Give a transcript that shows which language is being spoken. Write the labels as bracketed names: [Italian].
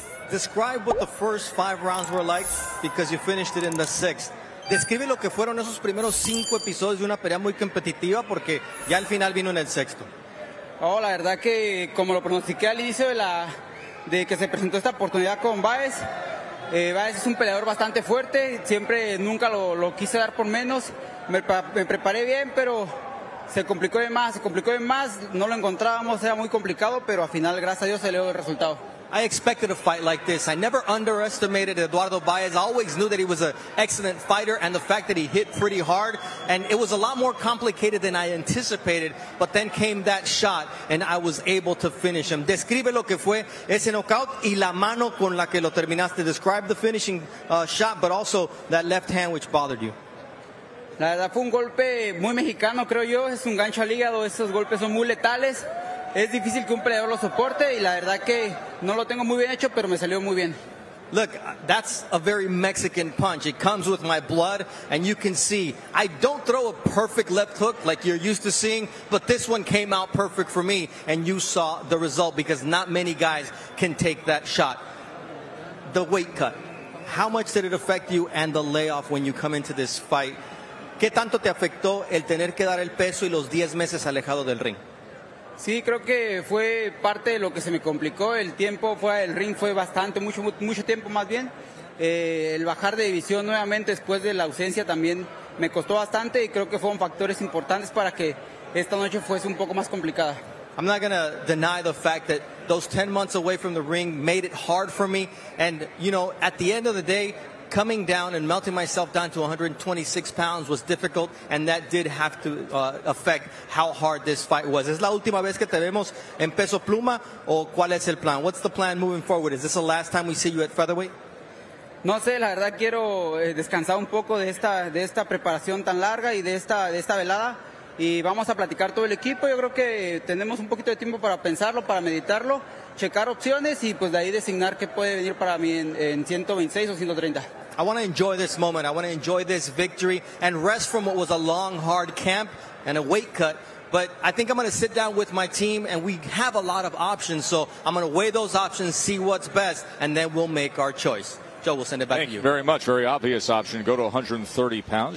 [English] Describe what the first five rounds were like because you finished it in the sixth. [Spanish] Describe lo que fueron esos primeros cinco episodios de una pelea muy competitiva porque ya al final vino en el sexto. Oh, la verdad que como lo pronostiqué al inicio de que se presentó esta oportunidad con Baez, Baez es un peleador bastante fuerte, siempre nunca lo quise dar por menos, me preparé bien, pero se complicó de más, no lo encontrábamos, era muy complicado, pero al final, gracias a Dios, salió el resultado. [English] I expected a fight like this. I never underestimated Eduardo Baez. I always knew that he was an excellent fighter and the fact that he hit pretty hard. And it was a lot more complicated than I anticipated. But then came that shot and I was able to finish him. [Spanish] Describe lo que fue ese knockout y la mano con la que lo terminaste. [English] Describe the finishing shot, but also that left hand which bothered you. [Spanish] La verdad fue un golpe muy mexicano, creo yo. Es un gancho al hígado. Esos golpes son muy letales. Es difícil que un peleador lo soporte y la verdad que no lo tengo muy bien hecho, pero me salió muy bien. [English] Look, that's a very Mexican punch. It comes with my blood, and you can see I don't throw a perfect left hook like you're used to seeing, but this one came out perfect for me, and you saw the result because not many guys can take that shot. The weight cut. How much did it affect you and the layoff when you come into this fight? [Spanish] ¿Qué tanto te afectó el tener que dar el peso y los 10 meses alejado del ring? Sí, creo que fue parte de lo que se me complicó. El tiempo fuera del ring fue bastante, mucho tiempo más bien. El bajar de división nuevamente después de la ausencia también me costó bastante y creo que fueron factores importantes para que esta noche fuese un poco más complicada. [English] I'm not going to deny the fact that those 10 months away from the ring made it hard for me. And, you know, at the end of the day, coming down and melting myself down to 126 pounds was difficult, and that did have to affect how hard this fight was. [Spanish] ¿Es la última vez que te vemos en peso pluma o cuál es el plan? [English] What's the plan moving forward? Is this the last time we see you at featherweight? [Spanish] No sé, la verdad quiero descansar un poco de esta preparación tan larga y de esta velada, y vamos a platicar todo el equipo. Yo creo que tenemos un poquito de tiempo para pensarlo, para meditarlo, checar opciones y pues de ahí designar qué puede venir para mí en 126 o 130. [English] I want to enjoy this moment. I want to enjoy this victory and rest from what was a long, hard camp and a weight cut. But I think I'm going to sit down with my team and we have a lot of options. So I'm going to weigh those options, see what's best, and then we'll make our choice. Joe, we'll send it back to you. Thank you very much. Very obvious option. Go to 130 pounds.